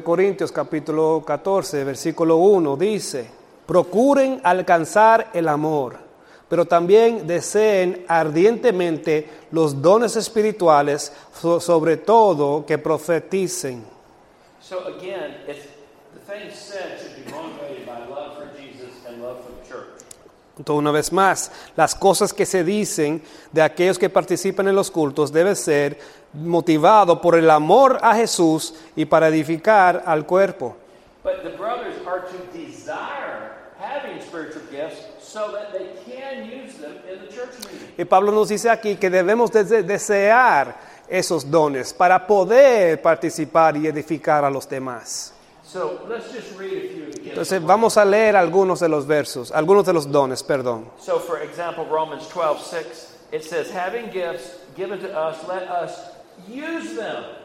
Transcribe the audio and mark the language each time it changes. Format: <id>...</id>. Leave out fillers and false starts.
<es>Corintios capítulo 14, versículo 1 dice, procuren alcanzar el amor, pero también deseen ardientemente los dones espirituales, sobre todo que profeticen.</es> <en>So again, if the things said should be motivated by love for Jesus and love for the church.</en> <es>Entonces, una vez más, las cosas que se dicen de aquellos que participan en los cultos deben ser motivado por el amor a Jesús y para edificar al cuerpo.</es> <en>But the brothers are to desire having spiritual gifts so that they can use them in the church meeting.</en> <es>Y Pablo nos dice aquí que debemos desear esos dones para poder participar y edificar a los demás. Entonces vamos a leer algunos de los versos, algunos de los dones, perdón.</es> <en>So for example, Romans 12:6, it says, having gifts given to us, let us use them.</en>